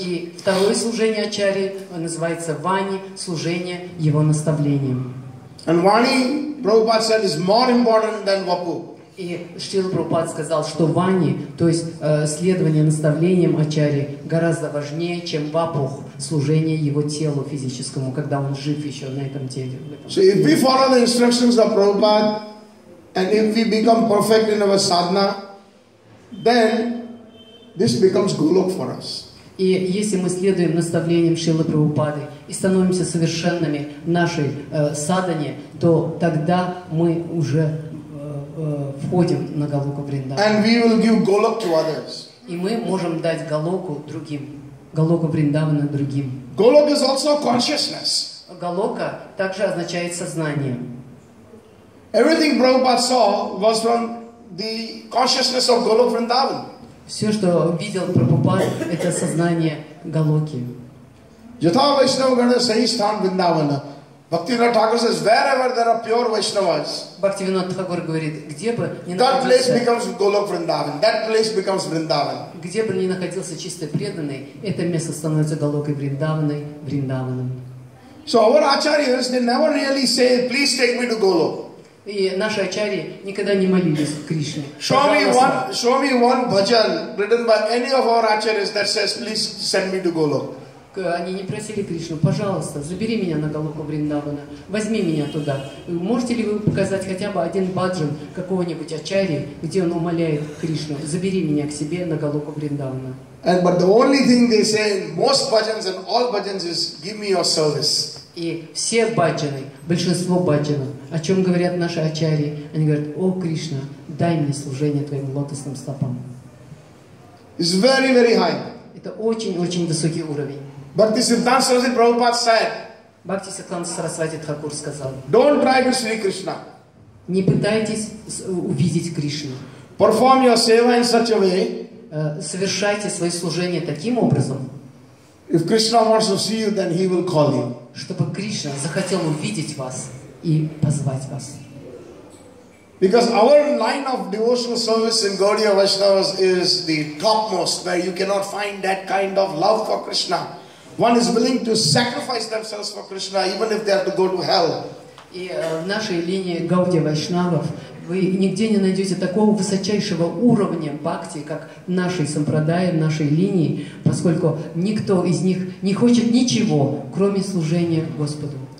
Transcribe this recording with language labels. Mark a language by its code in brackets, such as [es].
[ru] И второе служение Ачарьи называется Вани, служение его наставлением. [en] And Vani, Prabhupada said, is more important than Vapu. [ru] И Шрила Прабхупада сказал, что Вани, то есть следование наставлениям Ачарьи, гораздо важнее, чем Вапу, служение его телу физическому, когда он жив еще на этом теле. [en] So if we follow the instructions of Prabhupada, and if we become perfect in our sadhana, then this becomes Golok for us. [ru] И если мы следуем наставлениям Шрилы Прабхупады и становимся совершенными в нашей садхане, то тогда мы уже входим на Голоку Вриндавана. И мы можем дать Голоку другим. Голоку Вриндавана другим. [en] Golok is also consciousness. [ru] Голока также означает сознание. [en] Everything Prabhupada saw was from the consciousness of Golok Vrindavan. [ru] Все, что видел Прабхупада, это сознание Голоки. [sa] Yatha Vaishnava Gana Sahisthan Vrindavana. [en] Bhaktivinoda Thakur says, wherever there are pure Vaishnavas, [ru] Bhaktivinoda Thakur говорит, где бы ни находился, [en] that place becomes Golok Vrindavan. That place becomes Vrindavan. [ru] Где бы ни находился чистый преданный, это место становится Голокой Вриндаваной, Вриндаваном. [en] So our Acharyas, they never really say, please take me to Golok. [ru] И наши ачарьи никогда не молились к Кришне. [en] Show me one bhajan written by any of our acharyas that says, please send me to Golok. [ru] они не просили Кришну, пожалуйста, забери меня на Голоку Вриндавана, возьми меня туда. Можете ли вы показать хотя бы один баджан какого-нибудь ачарьи, где он умоляет Кришну, забери меня к себе на Голоку Вриндавана? [en] And but the only thing they say, most bhajans and all bhajans is, give me your service. [ru] И все баджаны, большинство баджанов, о чем говорят наши ачарьи, они говорят, о Кришна, дай мне служение твоим лотосным стопам. [en] It's very, very high. [ru] Это очень-очень высокий уровень. [en] Bhakti Siddhanta Saraswati Prabhupada said, [ru] Bhakti Siddhanta Saraswati Thakur сказал, [en] don't try to see Krishna. [ru] Не пытайтесь увидеть Кришну. [en] Perform your seva in such a way, [ru] совершайте свои служения таким образом, [en] if Krishna wants to see you, then he will call you. [ru] Чтобы Кришна захотел увидеть вас и позвать вас. [en] Because our line of devotional service in Gaudiya Vaishnavas is the topmost, where you cannot find that kind of love for Krishna. One is willing to sacrifice themselves for Krishna, even if they have to go to hell. [ru] И в нашей линии Гаудия Вайшнавов вы нигде не найдете такого высочайшего уровня бхакти, как в нашей сампрадае, в нашей линии, поскольку никто из них не хочет ничего, кроме служения Господу.